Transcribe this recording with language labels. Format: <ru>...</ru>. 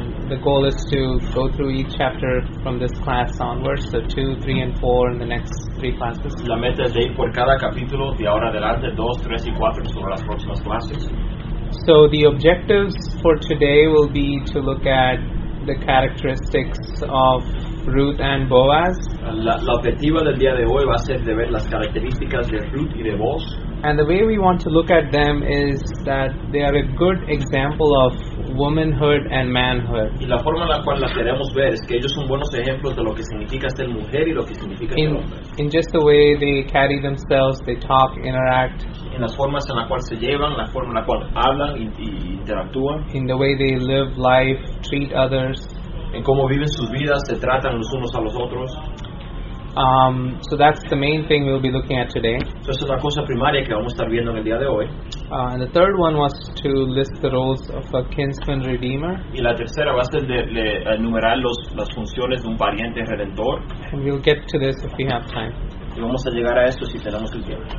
<en>The goal is to go through each chapter from this class onwards, so 2, 3, and 4 in the next three classes.</en> <es>La meta es de ir por cada capítulo de ahora adelante, 2, 3, y 4 sobre las próximas clases.</es> <en>So the objectives for today will be to look at the characteristics of Ruth and Boaz.</en> <es>La objetiva del día de hoy va a ser de ver las características de Ruth y de Boaz.</es> <en>And the way we want to look at them is that they are a good example of womanhood and manhood.</en> <es>Y la forma en la cual las queremos ver es que ellos son buenos ejemplos de lo que significa ser mujer y lo que significa ser hombre.</es> <en>In just the way they carry themselves, they talk, interact.</en> <es>En las formas en la cual se llevan, la forma en la cual hablan y interactúan.</es> <en>In the way they live life, treat others.</en> <es>En cómo viven sus vidas, se tratan los unos a los otros.</es> <en>So that's the main thing we'll be looking at today.</en> <es>Entonces, la cosa primaria que vamos a estar viendo en el día de hoy.</es> <en>And the third one was to list the roles of a kinsman redeemer.</en> <es>Y la tercera va a ser de enumerar las funciones de un pariente redentor.</es> <en>And we'll get to this if we have time.</en> <es>Y vamos a llegar a esto si tenemos el tiempo.</es>